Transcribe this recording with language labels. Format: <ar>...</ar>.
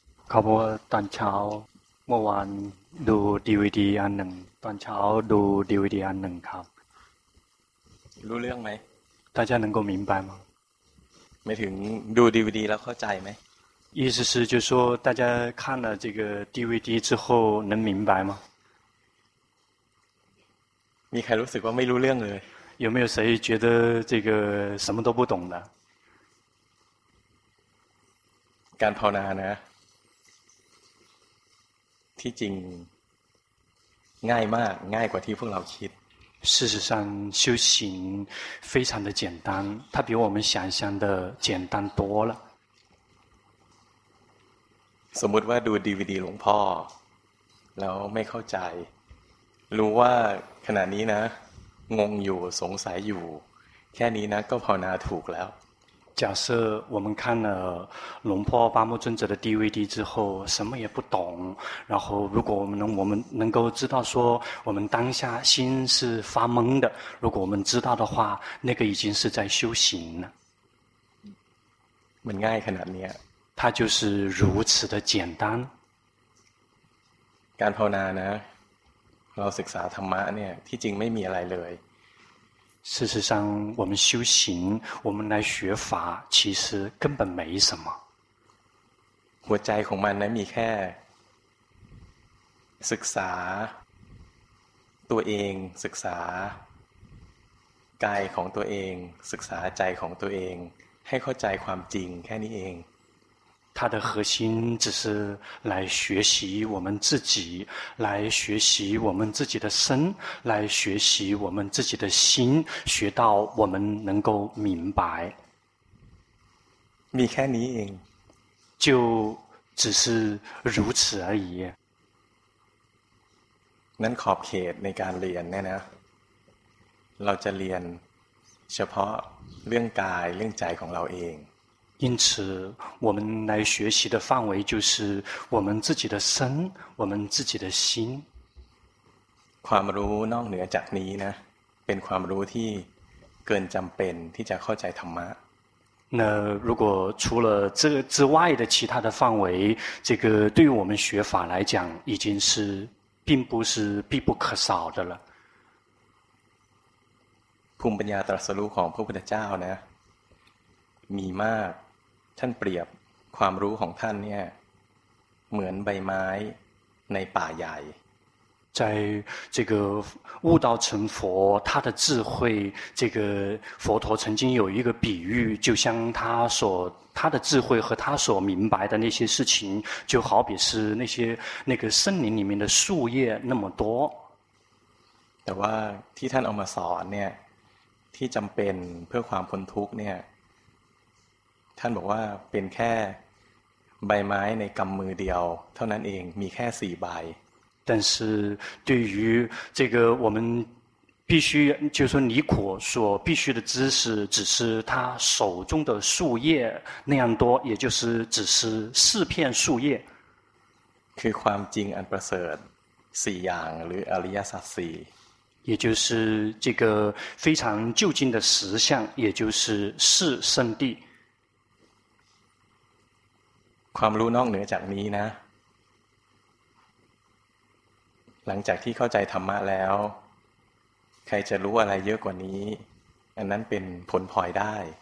<th>ขาบอกว่าตอนเช้าเมื่อวานดูดีวีดีอันหนึ่งตอนเช้าดูดีวีดีอันหนึ่งครับ รู้เรื่องไหม ถ้าเช่นนั้นก็</th> <zh>明白吗</zh> <th>ไม่ถึงดูดีวีดีแล้วเข้าใจไหม</th> <zh>意思是就是说大家看了这个 DVD 之后能明白吗</zh> <th>มีใครรู้สึกว่าไม่รู้เรื่องเลย</th> <zh>有没有谁觉得这个什么都不懂的</zh> <th>การภาวนานะที่จริงง่ายมากง่ายกว่าที่พวกเราคิด</th> <zh>事实上修行非常的简单它比我们想象的简单多了</zh> <th>สมมติว่าดู DVD หลวงพ่อแล้วไม่เข้าใจรู้ว่าขณะนี้นะงงอยู่สงสัยอยู่แค่นี้นะก็ภาวนาถูกแล้ว</th> <zh>假设我们看了龙婆巴木尊者的 DVD 之后，什么也不懂。然后，如果我们能够知道说，我们当下心是发懵的，如果我们知道的话，那个已经是在修行了。很难，可能呢？它就是如此的简单。</zh> <th>การภาวนานะ，เราศึกษาธรรมะเนี่ย，ที่จริงไม่มีอะไรเลย。</th> <zh>事实上我们修行我们来学法其实根本没什么</zh> <th>หัวใจของมันนะมีแค่ศึกษาตัวเองศึกษากายของตัวเองศึกษาใจของตัวเองให้เข้าใจความจริงแค่นี้เอง</th> <zh>它的核心只是来学习我们自己来学习我们自己的身来学习我们自己的心学到我们能够明白</zh> <th>มีแค่นี้เอง</th> <zh>就只是如此而已</zh> <th>นั้นขอบเขตในการเรียนเนี่ยนะเราจะเรียนเฉพาะเรื่องกายเรื่องใจของเราเอง</th> <zh>因此我们来学习的范围就是我们自己的身我们自己的心</zh> <th>ความรู้นอกเหนือจากนี้นะเป็นความรู้ที่เกินจำเป็นที่จะเข้าใจธรรมะ</th> <zh>那如果除了这之外的其他的范围这个对于我们学法来讲已经是并不是必不可少的了</zh> <th>ภูมิปัญญาตรัสรู้ของพระพุทธเจ้านะมีมากท่านเปรียบความรู้ของท่านเนี่ยเหมือนใบไม้ในป่าใหญ่</th> <zh>在这个悟道成佛他的智慧这个佛陀曾经有一个比喻就像他的智慧和他所明白的那些事情就好比是那个森林里面的树叶那么多</zh> <th>แต่ว่าที่ท่านเอามาสอนเนี่ยที่จำเป็นเพื่อความพ้นทุกข์เนี่ยท่านบอกว่าเป็นแค่ใบไม้ในกำมือเดียวเท่านั้นเองมีแค่สี่ใบ</th> <zh>但是对于这个我们必须就是说离苦所必须的知识只是他手中的树叶那样多也就是只是四片树叶</zh> <th>คือความจริงอันประเสริฐสี่อย่างหรืออริยสัจสี่</th> <zh>也就是这个非常究竟的实相也就是四圣谛</zh> <th>ความรู้นอกเหนือจากนี้นะหลังจากที่เข้าใจธรรมะแล้วใครจะรู้อะไรเยอะกว่านี้อันนั้นเป็นผลพลอยได้</th>